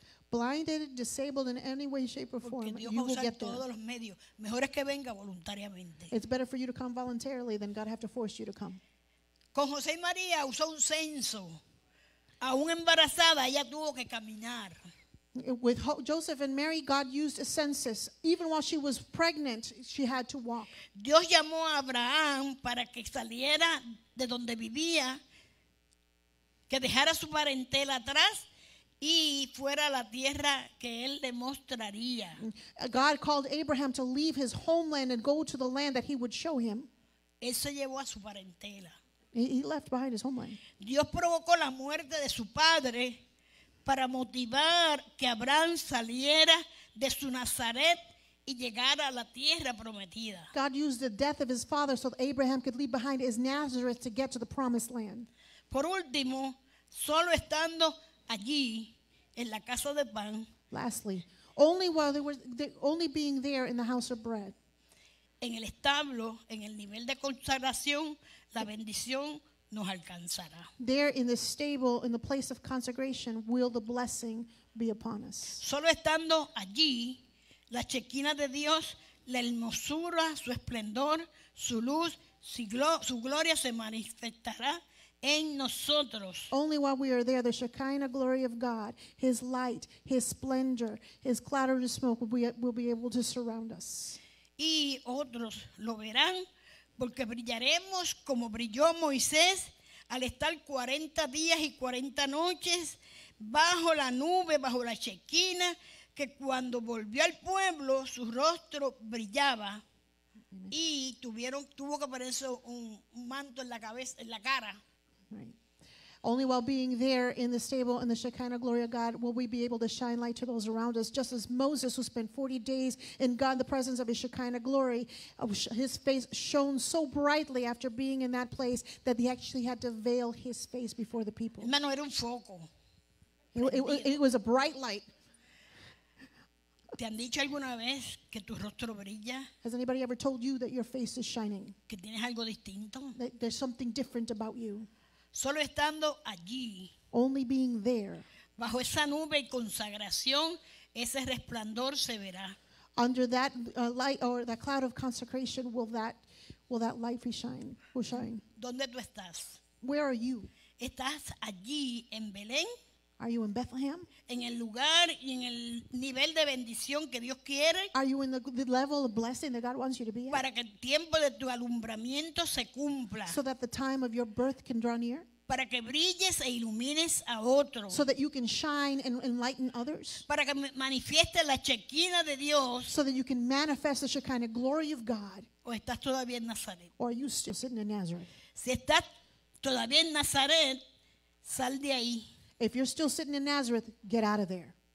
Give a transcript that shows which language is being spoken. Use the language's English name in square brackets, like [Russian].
[English] Blinded, disabled in any way, shape, or form, you will get there. [Spanish] Que venga voluntariamente. [English] It's better for you to come voluntarily than God have to force you to come. [Spanish] Con José y María usó un censo. Aún embarazada, ella tuvo que caminar. [English] With Joseph and Mary, God used a census. Even while she was pregnant, she had to walk. [Spanish] Dios llamó a Abraham para que saliera de donde vivía. Que dejara su parentela atrás y fuera la tierra que él le mostraría. [English] God called Abraham to leave his homeland and go to the land that he would show him. [Spanish] Él se llevó a su parentela. [English] He left behind his homeland. [Spanish] Dios provocó la muerte de su padre para motivar que Abraham saliera de su Nazaret y llegara a la tierra prometida. [English] God used the death of his father so that Abraham could leave behind his Nazareth to get to the promised land. [Spanish] Por último, solo estando allí en la casa de pan. [English] Lastly, only while they were only being there in the house of bread. [Spanish] En el establo, en el nivel de consagración, la bendición nos alcanzará. [English] There in the stable, in the place of consecration, will the blessing be upon us. [Spanish] Solo estando allí, la chequina de Dios la hermosura, su esplendor, su luz, su gloria se manifestará en nosotros. [English] Only while we are there, the Shekinah glory of God, His light, His splendor, His cloud of smoke will be able to surround us. [Spanish] Y otros lo verán porque brillaremos como brilló Moisés al estar 40 días y 40 noches bajo la nube, bajo la Shekinah, que cuando volvió al pueblo su rostro brillaba. Amen. Y tuvo que ponerse un manto en la cabeza, en la cara. [English] Right. Only while being there in the stable in the Shekinah glory of God will we be able to shine light to those around us, just as Moses, who spent 40 days in God, the presence of his Shekinah glory, his face shone so brightly after being in that place that he actually had to veil his face before the people. [Spanish] Hermano, era un foco. [English] It was a bright light. [Spanish] ¿Te han dicho alguna vez que tu rostro brilla? [English] Has anybody ever told you that your face is shining? [Spanish] ¿Que tienes algo distinto? [English] That there's something different about you. [Spanish] Solo estando allí, [English] only being there, [Spanish] bajo esa nube y consagración, ese resplandor se verá. [English] Under that light or that cloud of consecration, will that light shine? [Spanish] ¿Dónde tú estás? [English] Where are you? [Spanish] ¿Estás allí en Belén? [English] Are you in Bethlehem? [Spanish] En el lugar y en el nivel de bendición que Dios quiere. [English] Are you in the level of blessing that God wants you to be at? [Spanish] Para que el tiempo de tu alumbramiento se cumpla. [English] So that the time of your birth can draw near. [Spanish] Para que brilles e ilumines a otros. [English] So that you can shine and enlighten others. [Spanish] Para que manifiestes la Shekinah de Dios. [English] So that you can manifest the Shekinah glory of God. [Spanish] O estás todavía en Nazaret. [English] Or are you still sitting in Nazareth? [Spanish] Si estás todavía en Nazaret, sal de ahí. [English] If you're still sitting in Nazareth, get out of there.